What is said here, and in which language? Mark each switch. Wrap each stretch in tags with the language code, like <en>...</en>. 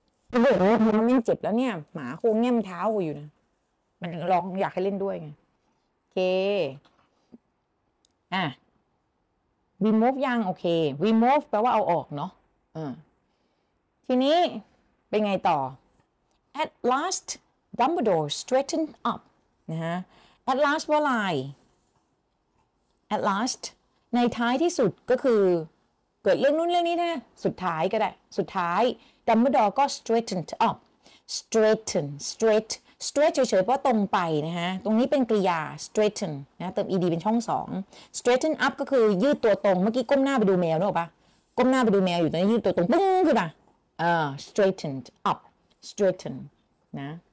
<th>โอ้โหมันเจ็บแล้วเนี่ยหมาคงแง้มเท้าอยู่นะมันร้องอยากให้เล่นด้วยไงโอเคอ่ะ remove ยังโอเค remove แปลว่าเอาออกเนาะทีนี้เป็นไงต่อ</th> <en>At last, Dumbledore straightened up.</en> <th>นะฮะ</th> <en>At last, what lie? At last,</en> <th>ในท้ายที่สุดก็คือเกิดเรื่องนู้นเรื่องนี้นะสุดท้ายก็ได้สุดท้าย Dumbledore ก็ straightened up. Straighten, straight เฉยๆเพราะตรงไปนะฮะตรงนี้เป็นกริยา straighten นะเติม ed เป็นช่องสอง Straighten up ก็คือยืดตัวตรงเมื่อกี้ก้มหน้าไปดูแมวนึกออกปะก้มหน้าไปดูแมวอยู่ตอนนี้ยืดตัวตรงปึ้งขึ้นมา straightened upstraighten นะ</th>